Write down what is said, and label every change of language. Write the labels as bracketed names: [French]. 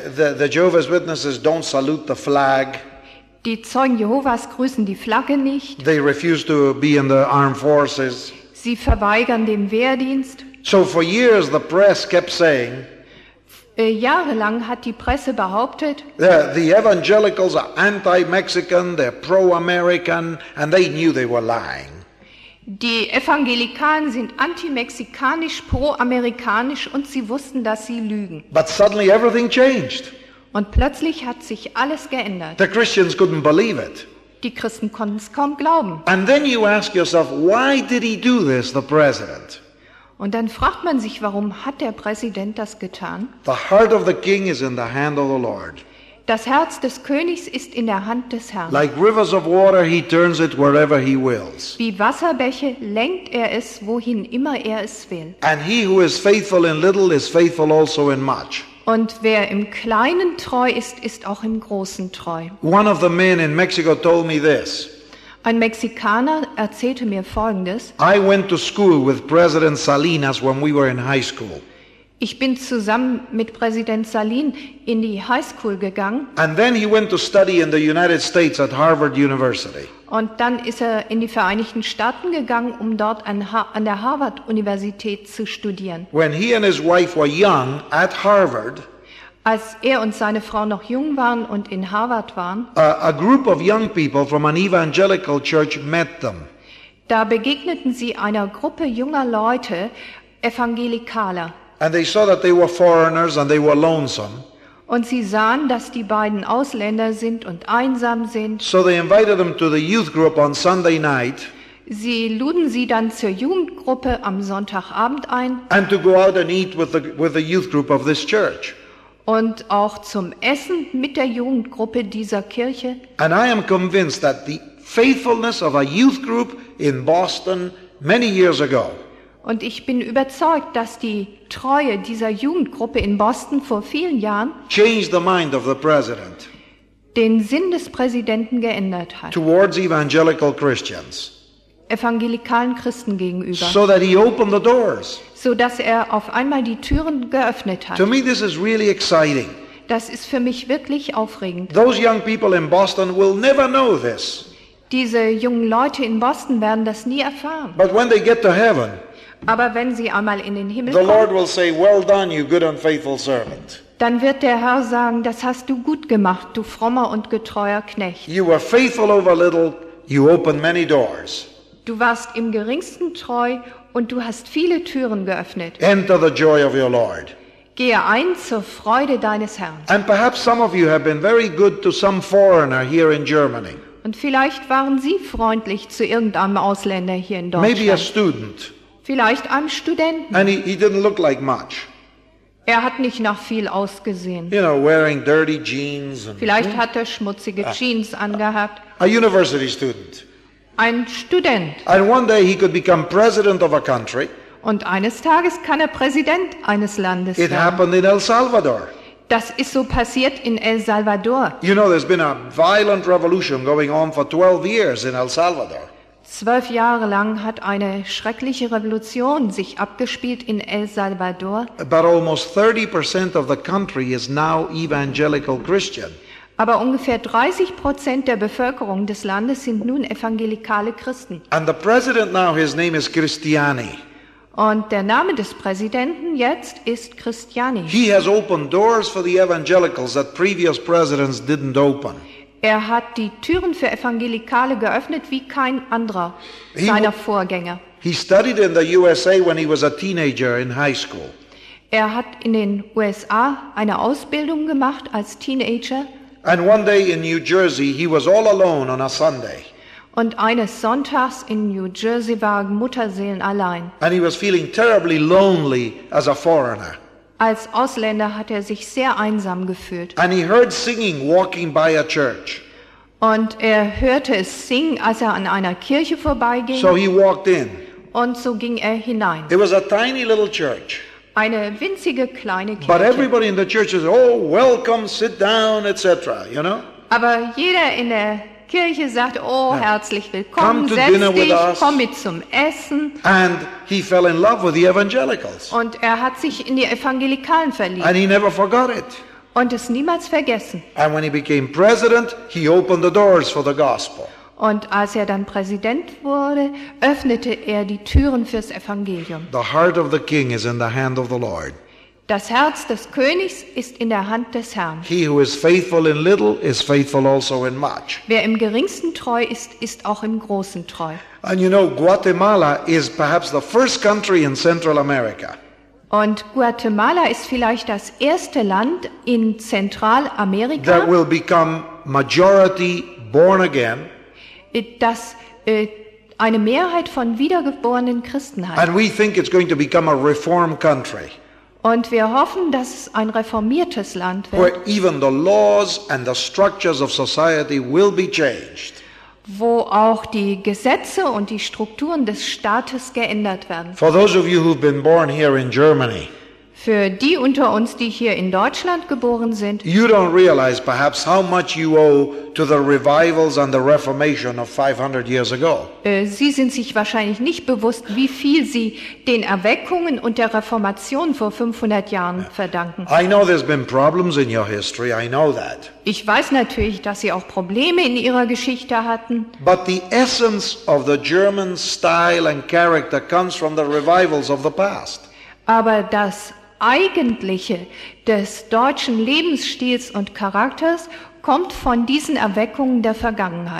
[English] The Jehovah's Witnesses don't salute the flag. [German] Die Zeugen Jehovas grüßen die Flagge nicht. [English] They refuse to be in the armed forces. [German] Sie verweigern den Wehrdienst. [English] So for years the press kept saying, [German] jahrelang hat die Presse behauptet, [English] the evangelicals are anti-Mexican, they're pro-American, and they knew they were lying. [German] Die Evangelikalen sind anti-mexikanisch, pro-amerikanisch und sie wussten, dass sie lügen. [English] But suddenly everything changed. [German] Und plötzlich hat sich alles geändert. [English] The Christians couldn't believe it. [German] Die Christen konnten es kaum glauben. [English] And then you ask yourself, why did he do this, the president? [German] Und dann fragt man sich, warum hat der Präsident das getan? [English] The heart of the king is in the hand of the Lord. [German] Das Herz des Königs ist in der Hand des Herrn. [English] Like rivers of water, he turns it wherever he wills. [German] Wie Wasserbäche lenkt er es, wohin immer er es will. [English] And he who is faithful in little is faithful also in much. [German] Und wer im Kleinen treu ist, ist auch im Großen treu. [English] One of the men in Mexico told me this. [German] Ein Mexikaner erzählte mir Folgendes. [English] I went to school with President Salinas when we were in high school. [German] Ich bin zusammen mit Präsident Salin in die High School gegangen. [English] And then he went to study in the United States at Harvard University. [German] Und dann ist er in die Vereinigten Staaten gegangen, um dort an der Harvard Universität zu studieren. [English] When he and his wife were young at Harvard, [German] als er und seine Frau noch jung waren und in Harvard waren, [English] a group of young people from an evangelical church met them. [German] Da begegneten sie einer Gruppe junger Leute, Evangelikaler. [English] And they saw that they were foreigners and they were lonesome. [German] Und sie sahen, dass die beiden Ausländer sind und einsam sind. [English] So they invited them to the youth group on Sunday night. [German] Sie luden sie dann zur Jugendgruppe am Sonntagabend ein. [English] And to go out and eat with the youth group of this church. [German] Und auch zum Essen mit der Jugendgruppe dieser Kirche. [English] And I am convinced that the faithfulness of a youth group in Boston many years ago. [German] Und ich bin überzeugt, dass die Treue dieser Jugendgruppe in Boston vor vielen Jahren [English] changed the mind of the president. [German] Den Sinn des Präsidenten geändert hat. [English] Towards evangelical Christians. [German] Evangelikalen Christen gegenüber. [English] So that he opened the doors. [German] So dass er auf einmal die Türen geöffnet hat. [English] To me this is really exciting. [German] Das ist für mich wirklich aufregend. [English] Those young people in Boston will never know this. [German] Diese jungen Leute in Boston werden das nie erfahren. [English] But when they get to heaven, [German] aber wenn sie einmal in den Himmel [English] the [German] kommen, [English] Lord will say, well done, you good and faithful servant. [German] Dann wird der Herr sagen, das hast du gut gemacht, du frommer und getreuer Knecht. [English] You were faithful over little, you opened many doors. [German] Du warst im Geringsten treu und du hast viele Türen geöffnet. [English] Enter the joy of your Lord. [German] Gehe ein zur Freude deines Herrn. [English] And perhaps some of you have been very good to some foreigner here in Germany. [German] Und vielleicht waren Sie freundlich zu irgendeinem Ausländer hier in Deutschland. [English] Maybe a student. [German] Vielleicht einem Studenten. [English] And he didn't look like much. [German] Er hat nicht nach viel ausgesehen. [English] You know, wearing dirty jeans and [German] vielleicht hat er schmutzige Jeans angehabt. [English] A university student. [German] Ein Student. [English] And one day he could become president of a country. [German] Und eines Tages kann er Präsident eines Landes werden. [English] It happened in El Salvador. [German] Das ist so passiert in El Salvador. [English] You know, there's been a violent revolution going on for 12 years in El Salvador. [German] 12 Jahre lang hat eine schreckliche Revolution sich abgespielt in El Salvador. [English] But almost 30% of the country is now evangelical Christian. [German] Aber ungefähr 30% der Bevölkerung des Landes sind nun evangelikale Christen. [English] And the president now, his name is Cristiani. [German] Und der Name des Präsidenten jetzt ist Cristiani. [English] He has opened doors for the evangelicals that previous presidents didn't open. [German] Er hat die Türen für Evangelikale geöffnet wie kein anderer seiner Vorgänger. [English] He studied in the USA when he was a teenager in high school. [German] Er hat in den USA eine Ausbildung gemacht als Teenager. [English] And one day in New Jersey he was all alone on a Sunday. [German] Und eines Sonntags in New Jersey war Mutterseelen allein. [English] And he was feeling terribly lonely as a foreigner. [German] Als Ausländer hat er sich sehr einsam gefühlt. [English] And he heard singing walking by a church. [German] Und er hörte es singen, als er an einer Kirche vorbeiging. [English] So he walked in. [German] Und so ging er hinein. [English] It was a tiny little church. [German] Eine winzige kleine Kirche. [English] But everybody in the church is, oh, welcome, sit down, etc., you know? [German] Aber jeder in der Kirche sagt, oh, herzlich willkommen, setz dich, komm mit zum Essen. [English] And he fell in love with the evangelicals. [German] Und er hat sich in die Evangelikalen verliebt. [English] And he never forgot it. [German] Und es niemals vergessen. [English] And when he became president, he opened the doors for the gospel. [German] Und als er dann Präsident wurde, öffnete er die Türen fürs Evangelium. [English] The heart of the king is in the hand of the Lord. [German] Das Herz des Königs ist in der Hand des Herrn. [English] He who is faithful in little is faithful also in much. [German] Wer im Geringsten treu ist, ist auch im Großen treu. [English] And you know, Guatemala is perhaps the first country in Central America. [German] Und Guatemala ist vielleicht das erste Land in Zentralamerika, [English] that will become majority born again. [German] Das eine Mehrheit von wiedergeborenen Christen hat. [English] And we think it's going to become a reform country. [German] Und wir hoffen, dass es ein reformiertes Land wird. [English] Where even the laws and the structures of society will be changed. [German] Wo auch die Gesetze und die Strukturen des Staates geändert werden. [English] For those of you who've been born here in Germany. [German] Für die unter uns, die hier in Deutschland geboren sind. [English] You don't realize perhaps how much you owe to the revivals and the reformation of 500 years ago. [German] Sie sind sich wahrscheinlich nicht bewusst, wie viel Sie den Erweckungen und der Reformation vor 500 Jahren verdanken. [English] I know there's been problems in your history, I know that. [German] Ich weiß natürlich, dass Sie auch Probleme in Ihrer Geschichte hatten. [English] But the essence of the German style and character comes from the revivals of the past. [German] Aber das Eigentliche des deutschen Lebensstils und Charakters kommt von diesen Erweckungen der Vergangenheit.